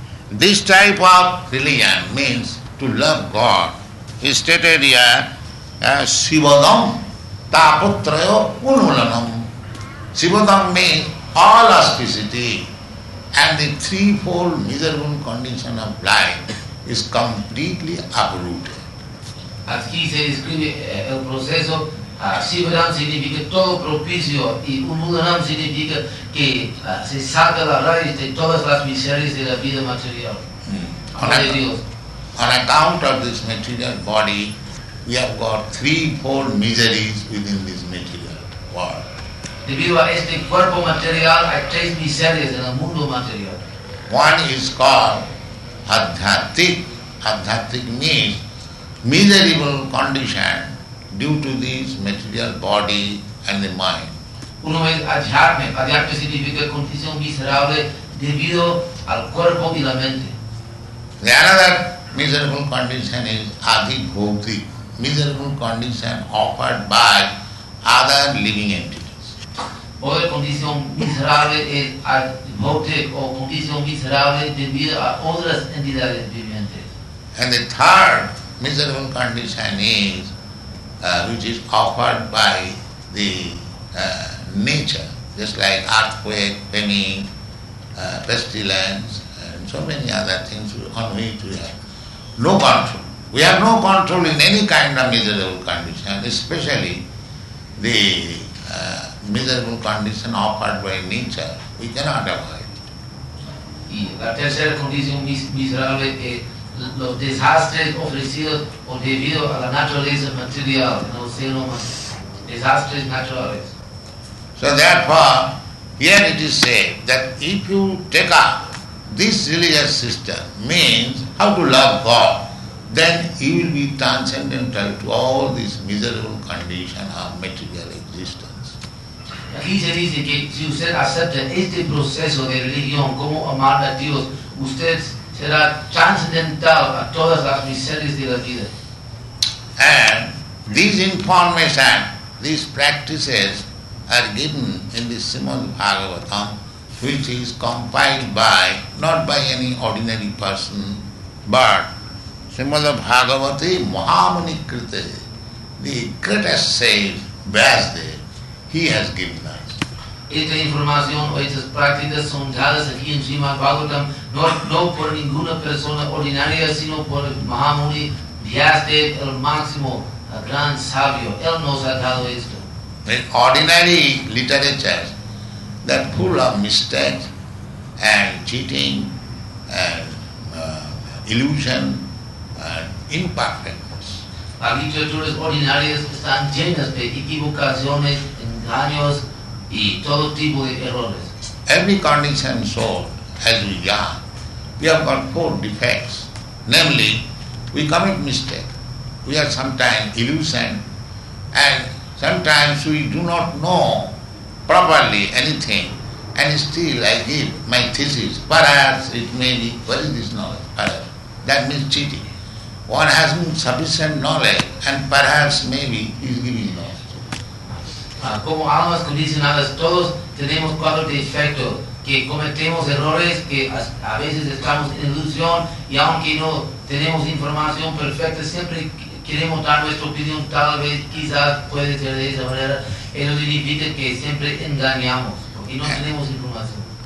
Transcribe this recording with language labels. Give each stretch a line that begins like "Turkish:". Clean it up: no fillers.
English: This type of religion means to love God. He stated here, Sivadam, taputrayo unulanam. Sivadam means all auspicity and the threefold miserable condition of life is completely uprooted. As he says,
Spanish: describe el proceso. Sivadam significa todo propicio y unulanam significa que se saca la raíz de todas las miserias de la vida material.
English: On account of this material body, we have got threefold miseries within this material world.
Spanish: Debido a este cuerpo material, hay tres miserias en el mundo material.
English: One is called adhyatik. Adhyatik means miserable condition due to this material body and the mind.
Spanish: Uno es adhyatmik. Adhyatmik significa condición miserable debido al cuerpo y la mente.
English: The another miserable condition is adhibhogti, miserable condition offered by other living entities.
Spanish: Otra condición miserable es adhibhogti o condición miserable debido a otras entidades vivientes.
English: And the third miserable condition is which is offered by the nature, just like earthquake, famine, pestilence, and so many other things on which we have no control. We have no control in any kind of miserable condition, especially the miserable condition offered by nature. We cannot avoid it.
Spanish: Y la tercera condición miserable es los desastres ofrecidos o debido a la naturaleza material, no sino desastres naturales.
English: So therefore, here it is said that if you take up this religious system, means how to love God, then you will be transcendental to all this miserable condition of material existence.
Spanish: Aquí se dice que si usted acepta este proceso de religión como amar a Dios, usted será transcendental a todas las miserias de la vida.
English: And this information, these practices are given in the Srimad Bhagavatam, which is compiled by, not by any ordinary person, but Srimad Bhagavati Mahamuni Krite, the greatest sage Vyasadeva, he has given us.
Spanish: Esta información o estas prácticas son dadas aquí en Srimad Bhagavatam, no por ninguna persona ordinaria, sino por Mahamuni Vyasadeva, el máximo, el gran sabio. Él nos ha dado esto.
English: In ordinary literature, that full of mistakes and cheating and illusion and imperfectness.
Spanish: Las literaturas ordinarias están llenas de equivocaciones, engaños y todo tipo de errores.
English: Every conditioned soul, as we are, we have got four defects. Namely, we commit mistake, we are sometimes illusion, and sometimes we do not know properly anything, and still I give my thesis. Perhaps it may be, what is this knowledge? Perhaps. That means cheating. One has sufficient knowledge, and perhaps maybe he is giving knowledge.
Spanish: Como almas condicionadas, todos tenemos cuatro defectos, que cometemos errores, que a veces estamos en ilusión, y aunque no tenemos información perfecta, siempre queremos dar nuestra opinión, tal vez, quizás, puede ser de esa manera. Eso significa que siempre engañamos y no tenemos información.